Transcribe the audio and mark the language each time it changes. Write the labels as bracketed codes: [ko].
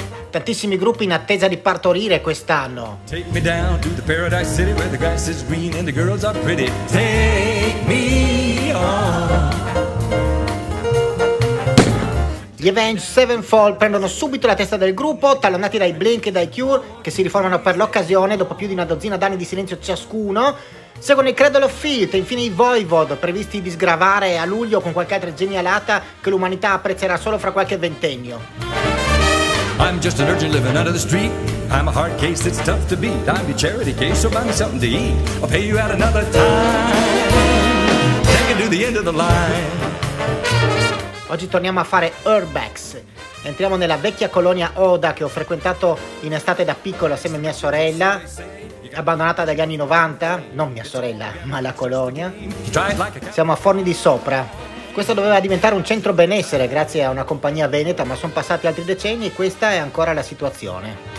[it] tantissimi gruppi in attesa di partorire quest'anno. [en] Take me down to the paradise city where the grass is green and the girls are pretty. Take me on. [it] Gli Avenged Sevenfold prendono subito la testa del gruppo, tallonati dai Blink e dai Cure, che si riformano per l'occasione dopo più di una dozzina d'anni di silenzio ciascuno. Seguono i Cradle of Filth e infine i Voivod, previsti di sgravare a luglio con qualche altra genialata che l'umanità apprezzerà solo fra qualche ventennio. [en] I'm just an urgent living under the street. I'm a hard case that's tough to beat. I'm the charity case, so buy me something to eat. I'll pay you out another time. Take it to the end of the line. [it] Oggi torniamo a fare Urbex. Entriamo nella vecchia colonia Oda che ho frequentato in estate da piccolo assieme a mia sorella, abbandonata dagli anni 90, non mia sorella, ma la colonia. Siamo a Forni di Sopra. Questo doveva diventare un centro benessere grazie a una compagnia veneta, ma sono passati altri decenni e questa è ancora la situazione.